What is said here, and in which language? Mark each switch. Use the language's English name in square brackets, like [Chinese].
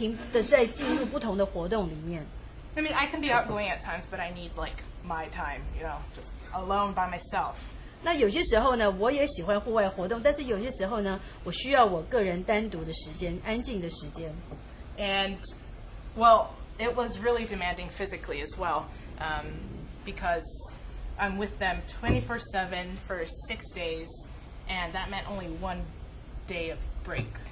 [Chinese] 那这个夏令营里面所进行的活动有许许多多不同的，所以你是不停的在进入不同的活动里面。 [English] I mean, I can be outgoing at times, but I need like my time, you know, just alone by myself. [Chinese] 那有些时候呢，我也喜欢户外活动，但是有些时候呢，我需要我个人单独的时间，安静的时间。And [English] well, it was really demanding physically as well, because I'm with them 24/7 for 6 days, and that meant only one day of break.